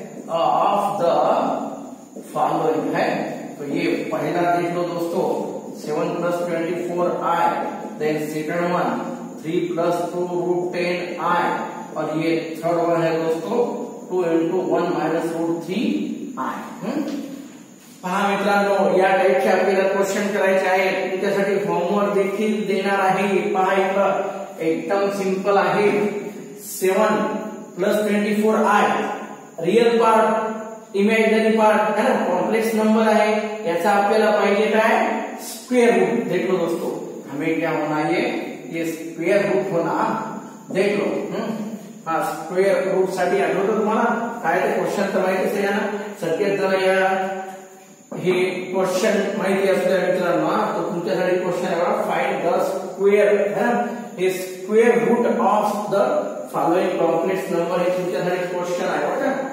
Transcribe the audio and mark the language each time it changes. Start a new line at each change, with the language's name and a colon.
English: Find the square roots of the following है.
Hindi: तो ये पहला देख लो दोस्तों,
English: 7 + 24 i, then second one 3 + 2√10 i,
Hindi: और ये थर्ड वन है दोस्तों
English: 2 × 1 − √3 i.
Marathi: पहा मित्रांनो, या टाइपचे आपल्याला क्वेश्चन करायचे आहे, त्यासाठी होमवर्क देखील देणार आहे. पहा इथं एकदम सिंपल आहे. 7 + 24 i real part, imaginary part, है ना, कॉम्प्लेक्स नंबर आहे. याचा आपल्याला पाहिजे काय, स्क्वेअर रूट.
Hindi: देख लो दोस्तों हमें क्या होना, ये स्क्वेअर रूट होना.
Marathi: देख लो हा स्क्वेअर रूट साठी आठवत तुम्हाला काय ते क्वेश्चन तर माहिती असेल ना. सत्यात जरा या हे क्वेश्चन माहिती असतो मित्रांनो, तर तुमच्यासाठी क्वेश्चन आहे फाइंड द स्क्वेअर, है ना, हे square route of the following complex number हे तुमच्यासाठी क्वेश्चन आहे.